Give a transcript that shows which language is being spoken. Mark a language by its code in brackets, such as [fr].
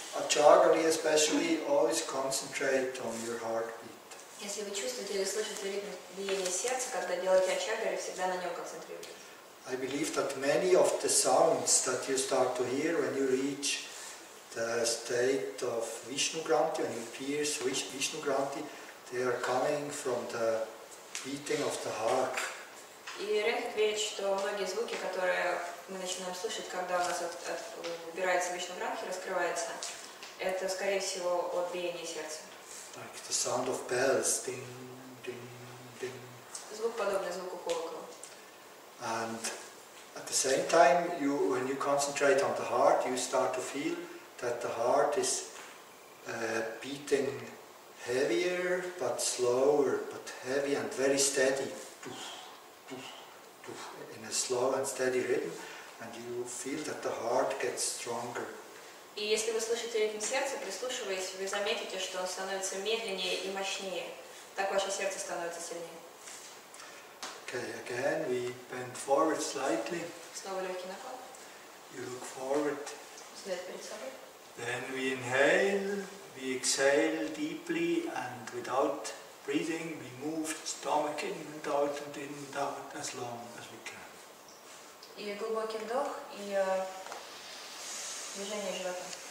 [en] Jagari especially, always concentrate on your heartbeat. [ru] Если вы чувствуете или слышите ритм биения сердца, когда делаете Ачагари, всегда на нем концентрируйтесь. [en] I believe that many of the sounds that you start to hear when you reach the state of Vishnugranti, when you pierce Vishnugranti, they are coming from the beating of the heart. [ru] И Рэнхит верит, что многие звуки, которые мы начинаем слышать, когда у нас убирается Вишнугранхи, раскрывается, это, скорее всего, от биения сердца. [en] Like the sound of bells, ding, ding, ding. [ru] Звук подобный звуку колокола. [en] And at the same time, you, when you concentrate on the heart, you start to feel that the heart is beating heavier, but slower, but heavy and very steady. Doof, doof, doof, in a slow and steady rhythm, and you feel that the heart gets stronger. [ru] И если вы слышите ритм сердца, прислушиваясь, вы заметите, что он становится медленнее и мощнее. Так ваше сердце становится сильнее. [en] Okay, again, we bend forward slightly. [ru] Снова легкий наклон. [en] You look forward. [ru] Взгляд перед собой. [en] Then we inhale, we exhale deeply and without breathing, we move the stomach in and out and in and out as long as we can. [ru] И глубокий вдох, и движение живота.